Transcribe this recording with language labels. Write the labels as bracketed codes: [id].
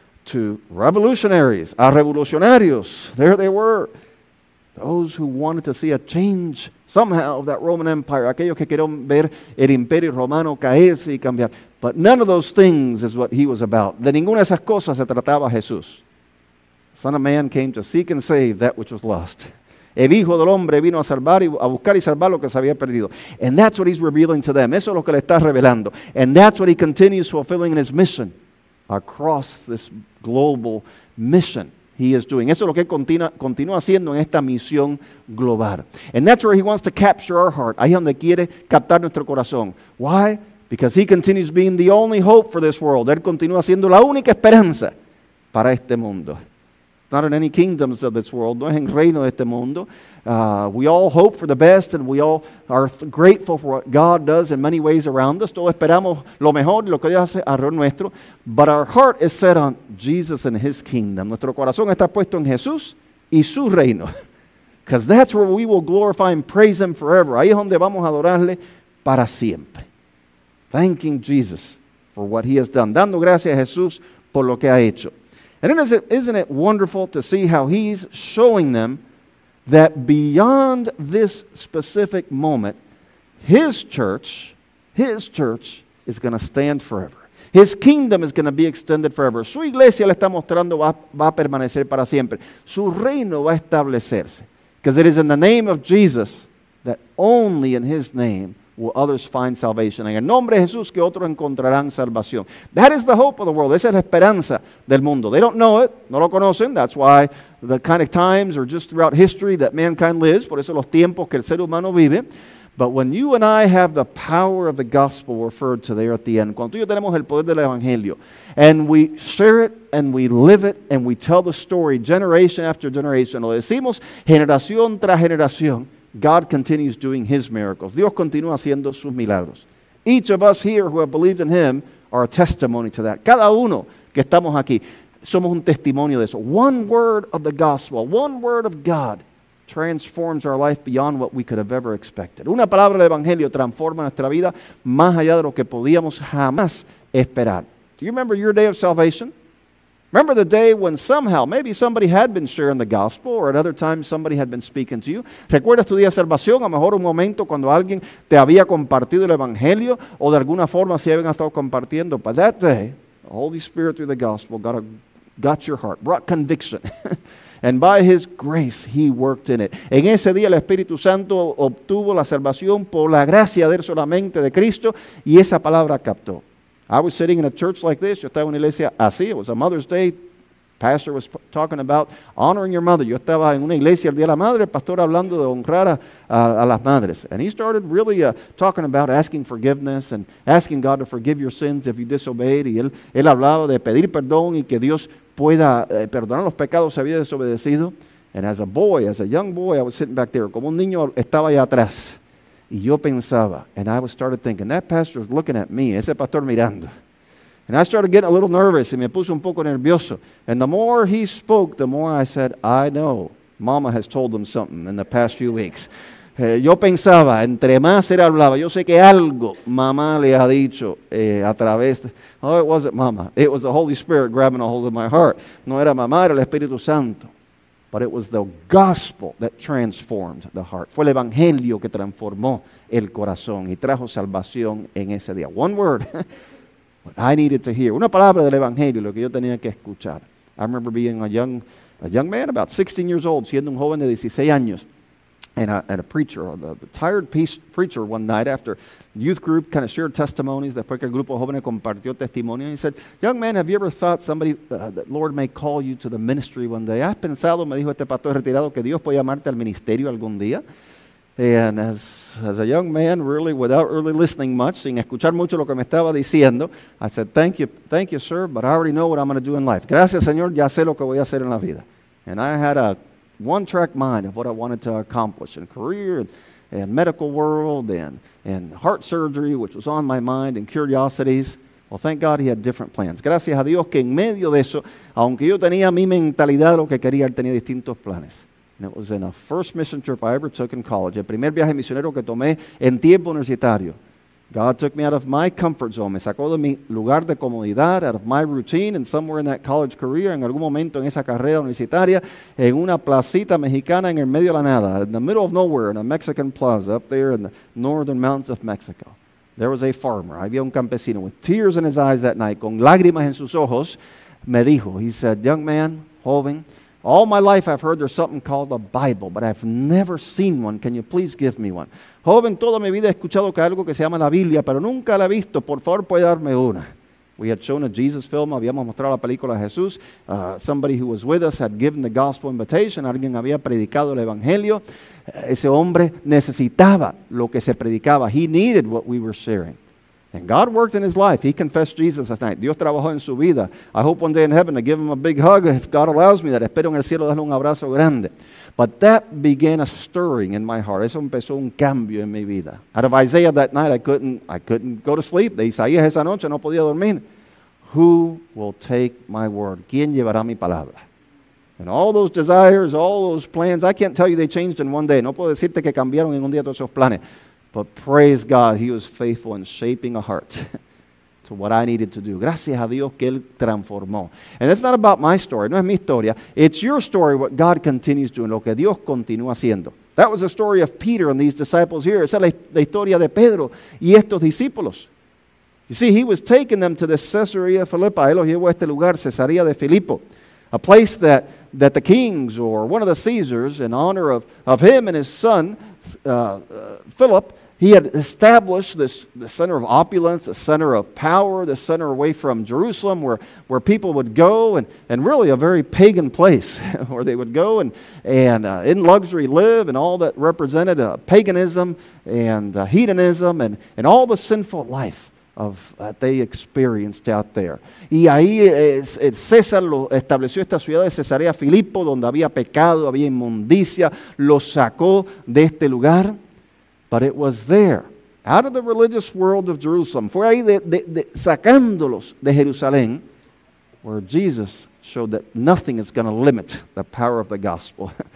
[en] to revolutionaries, [es] a revolucionarios. [en] There they were, those who wanted to see a change somehow of that Roman Empire, [es] aquellos que querían ver el Imperio Romano caerse y cambiar. [en] But none of those things is what he was about. [es] De ninguna de esas cosas se trataba Jesús. [en] The Son of Man came to seek and save that which was lost. [es] El Hijo del Hombre vino a salvar y a buscar y salvar lo que se había perdido. [en] And that's what he's revealing to them. [es] Eso es lo que le está revelando. [en] And that's what he continues fulfilling in his mission across this global mission he is doing. [es] Eso es lo que continúa haciendo en esta misión global. [en] And that's where he wants to capture our heart. [es] Ahí es donde quiere captar nuestro corazón. [en] Why? Because he continues being the only hope for this world. [es] Él continúa siendo la única esperanza para este mundo. [en] Not in any kingdoms of this world. [es] No es en reino de este mundo. [en] We all hope for the best and we all are grateful for what God does in many ways around us. [es] Todos esperamos lo mejor, lo que Dios hace alrededor nuestro. [en] But our heart is set on Jesus and his kingdom. [es] Nuestro corazón está puesto en Jesús y su reino. [en] Because that's where we will glorify and praise him forever. [es] Ahí es donde vamos a adorarle para siempre. [en] Thanking Jesus for what he has done. [es] Dando gracias a Jesús por lo que ha hecho. [en] And isn't it wonderful to see how he's showing them that beyond this specific moment, his church is going to stand forever. His kingdom is going to be extended forever. [es] Su iglesia le está mostrando va a permanecer para siempre. Su reino va a establecerse. [en] Because it is in the name of Jesus that only in his name will others find salvation. [es] En el nombre de Jesús que otros encontrarán salvación. [en] That is the hope of the world. [es] Esa es la esperanza del mundo. [en] They don't know it. [es] No lo conocen. [en] That's why the kind of times or just throughout history that mankind lives. [es] Por eso los tiempos que el ser humano vive. [en] But when you and I have the power of the gospel referred to there at the end. [es] Cuando tú y yo tenemos el poder del evangelio. [en] And we share it and we live it and we tell the story generation after generation. [es] Lo decimos generación tras generación. [en] God continues doing his miracles. [es] Dios continúa haciendo sus milagros. [en] Each of us here who have believed in him are a testimony to that. [es] Cada uno que estamos aquí somos un testimonio de eso. [en] One word of the gospel, one word of God transforms our life beyond what we could have ever expected. [es] Una palabra del evangelio transforma nuestra vida más allá de lo que podíamos jamás esperar. [en] Do you remember your day of salvation? Remember the day when somehow, maybe somebody had been sharing the gospel or at other times somebody had been speaking to you. [es] ¿Recuerdas tu día de salvación? A lo mejor un momento cuando alguien te había compartido el evangelio o de alguna forma se habían estado compartiendo. [en] But that day, the Holy Spirit through the gospel got your heart, brought conviction. And by his grace, he worked in it. [es] En ese día, el Espíritu Santo obtuvo la salvación por la gracia de él solamente de Cristo y esa palabra captó. [en] I was sitting in a church like this. [es] Yo estaba en una iglesia así. [en] It was a Mother's Day. Pastor was talking about honoring your mother. [es] Yo estaba en una iglesia el día de la madre. Pastor hablando de honrar a las madres. [en] And he started really talking about asking forgiveness and asking God to forgive your sins if you disobeyed. [es] Y él hablaba de pedir perdón y que Dios pueda perdonar los pecados si había desobedecido. [en] And as a boy, as a young boy, I was sitting back there. [es] Como un niño estaba allá atrás. Y yo pensaba, [en] and I started thinking, that pastor was looking at me, [es] ese pastor mirando. [en] And I started getting a little nervous, [es] y me puse un poco nervioso. [en] And the more he spoke, the more I said, I know, mama has told them something in the past few weeks. [es] Yo pensaba, entre más él hablaba, yo sé que algo mamá le ha dicho a través de... [en] Oh, it wasn't mama, it was the Holy Spirit grabbing a hold of my heart. [es] No era mamá, era el Espíritu Santo. [en] But it was the gospel that transformed the heart. [es] Fue el evangelio que transformó el corazón y trajo salvación en ese día. [en] One word, what I needed to hear. [es] Una palabra del evangelio, lo que yo tenía que escuchar. [en] I remember being a young man, about 16 years old, [es] siendo un joven de 16 años. [en] And a preacher, a tired preacher one night after youth group kind of shared testimonies, [es] después que el grupo joven compartió testimonio, [en] and he said, young man, have you ever thought somebody, that Lord may call you to the ministry one day? [es] ¿Has pensado, me dijo este pastor retirado, que Dios puede llamarte al ministerio algún día? [en] And as a young man, really without really listening much, [es] sin escuchar mucho lo que me estaba diciendo, [en] I said, thank you, sir, but I already know what I'm going to do in life. [es] Gracias, Señor, ya sé lo que voy a hacer en la vida. [en] And I had a one-track mind of what I wanted to accomplish in career and medical world and heart surgery, which was on my mind, and curiosities. Well, thank God he had different plans. [es] Gracias a Dios que en medio de eso, aunque yo tenía mi mentalidad, lo que quería, tenía distintos planes. [en] And it was in a first mission trip I ever took in college, [es] el primer viaje misionero que tomé en tiempo universitario. [en] God took me out of my comfort zone. [es] Me sacó de mi lugar de comodidad, [en] out of my routine, and somewhere in that college career, [es] en algún momento en esa carrera universitaria, en una placita mexicana en el medio de la nada, [en] in the middle of nowhere, in a Mexican plaza up there in the northern mountains of Mexico. There was a farmer. [es] Había un campesino [en] with tears in his eyes that night, [es] con lágrimas en sus ojos. Me dijo, [en] he said, young man, [es] joven, [en] all my life I've heard there's something called a Bible, but I've never seen one. Can you please give me one? [es] Joven, toda mi vida he escuchado que hay algo que se llama la Biblia, pero nunca la he visto. Por favor, puede darme una. [en] We had shown a Jesus film. [es] Habíamos mostrado la película de Jesús. [en] Somebody who was with us had given the gospel invitation. [es] Alguien había predicado el evangelio. Ese hombre necesitaba lo que se predicaba. [en] He needed what we were sharing. And God worked in his life. He confessed Jesus that night. [es] Dios trabajó en su vida. [en] I hope one day in heaven to give him a big hug if God allows me that. [es] Espero en el cielo darle un abrazo grande. [en] But that began a stirring in my heart. [es] Eso empezó un cambio en mi vida. [en] Out of Isaiah that night, I couldn't go to sleep. [es] De Isaías esa noche no podía dormir. [en] Who will take my word? [es] ¿Quién llevará mi palabra? [en] And all those desires, all those plans, I can't tell you they changed in one day. [es] No puedo decirte que cambiaron en un día todos esos planes. [en] But praise God, he was faithful in shaping a heart to what I needed to do. [es] Gracias a Dios que él transformó. [en] And it's not about my story. [es] No es mi historia. [en] It's your story, what God continues doing, [es] lo que Dios continúa haciendo. [en] That was the story of Peter and these disciples here. [es] Esa es la historia de Pedro y estos discípulos. [en] You see, he was taking them to the Caesarea Philippi. [es] Él los llevó a este lugar, Cesarea de Filipo. [en] A place that the kings or one of the Caesars, in honor of him and his son, Philip, he had established the center of opulence, the center of power, the center away from Jerusalem where people would go and really a very pagan place where they would go and in luxury live and all that represented paganism and hedonism and all the sinful life of that they experienced out there. [es] Y ahí el César lo estableció esta ciudad de Cesarea Filipo, donde había pecado, había inmundicia, lo sacó de este lugar. [en] But it was there, out of the religious world of Jerusalem, [es] fue ahí de sacándolos de Jerusalén, [en] where Jesus showed that nothing is going to limit the power of the gospel.